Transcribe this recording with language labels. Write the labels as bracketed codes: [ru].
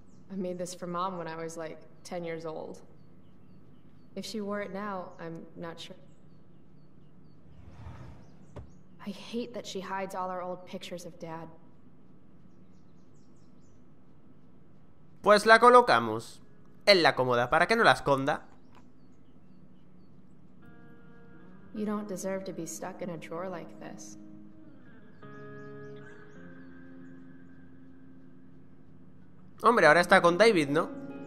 [en] I made this for Mom when I was like 10 years old. If she wore it now, I'm not sure. I hate that she hides all our old pictures of Dad. [es] Pues la colocamos en la cómoda para que no la esconda. [en] You don't deserve to be stuck in a drawer like this. [es] Hombre, ahora está con David, ¿no?